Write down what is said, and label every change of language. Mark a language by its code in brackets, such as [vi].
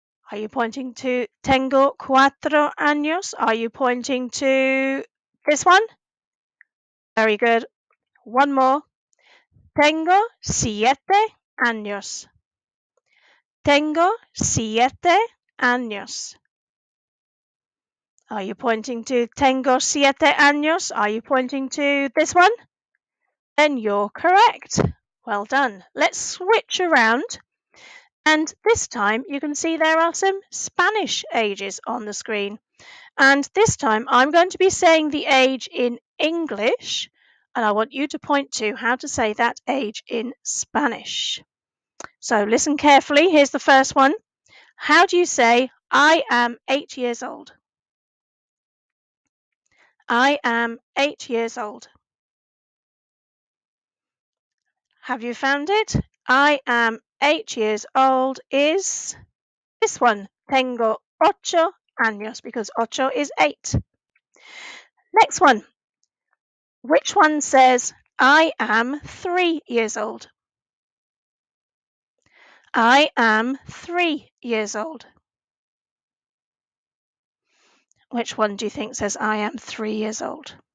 [en] Are you pointing to [es] tengo cuatro años? [en] Are you pointing to this one? Very good. One more. [es] Tengo siete años. Tengo siete años. [en] Are you pointing to [es] tengo siete años? [en] Are you pointing to this one? Then you're correct. Well done. Let's switch around And this time you can see there are some Spanish ages on the screen. And this time I'm going to be saying the age in English, and I want you to point to how to say that age in Spanish. So listen carefully. Here's the first one. How do you say, I am 8 years old? I am 8 years old. Have you found it? I am 8 years old is this one. [es] Tengo ocho años, [en] because ocho is eight. Next one. Which one says, I am 3 years old? I am 3 years old. Which one do you think says, I am 3 years old?